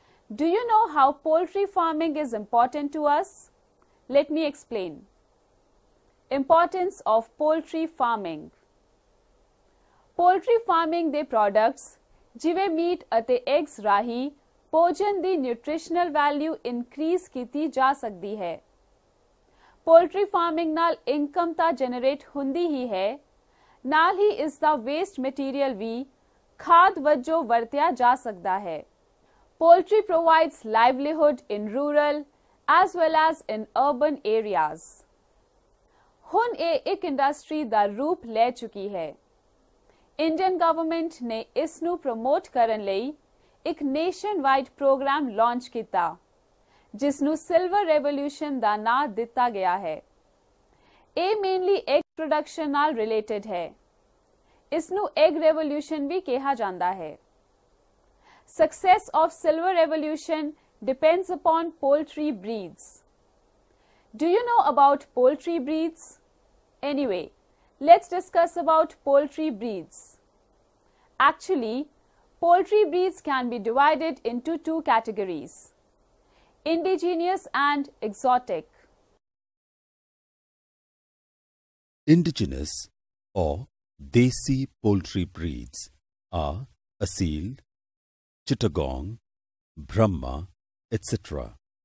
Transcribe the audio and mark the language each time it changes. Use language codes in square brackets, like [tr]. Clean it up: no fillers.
[en] Do you know how poultry farming is important to us? Let me explain. Importance of poultry farming. [pa] Poultry farming de products jive meat ate eggs rahi ਭੋਜਨ ਦੀ nutritional value increase ਕੀਤੀ ਜਾ ਸਕਦੀ ਹੈ। Poultry farming ਨਾਲ income ਤਾਂ generate ਹੁੰਦੀ ਹੀ ਹੈ, ਨਾਲ ਹੀ ਇਸ ਦਾ ਵੇਸਟ ਮਟੀਰੀਅਲ ਵੀ ਖਾਦ ਵਜੋਂ ਵਰਤਿਆ ਜਾ ਸਕਦਾ ਹੈ। [en] Poultry provides livelihood in rural as well as in urban areas. [pa] ਹੁਣ ਇਹ ਇੱਕ ਇੰਡਸਟਰੀ ਦਾ ਰੂਪ ਲੈ ਚੁੱਕੀ ਹੈ। ਇੰਡੀਅਨ ਗਵਰਨਮੈਂਟ ਨੇ ਇਸ ਨੂੰ ਪ੍ਰਮੋਟ ਕਰਨ ਲਈ ਇੱਕ ਨੇਸ਼ਨ ਵਾਈਡ ਪ੍ਰੋਗਰਾਮ ਲਾਂਚ ਕੀਤਾ, ਜਿਸ ਨੂੰ ਸਿਲਵਰ ਰੈਵੋਲਿਊਸ਼ਨ ਦਾ ਨਾਂ ਦਿੱਤਾ ਗਿਆ ਹੈ। ਇਹ ਮੇਨਲੀ ਐਗ ਪ੍ਰੋਡਕਸ਼ਨ ਨਾਲ ਰਿਲੇਟਡ ਹੈ। ਇਸ ਨੂੰ ਐਗ ਰੈਵੋਲਿਊਸ਼ਨ ਵੀ ਕਿਹਾ ਜਾਂਦਾ ਹੈ। [en] Success of silver revolution depends upon poultry breeds. Do you know about poultry breeds? Anyway, let's discuss about poultry breeds. Actually poultry breeds can be divided into two categories, indigenous and exotic. Indigenous or desi poultry breeds are Asil, Chittagong, Brahma, etc.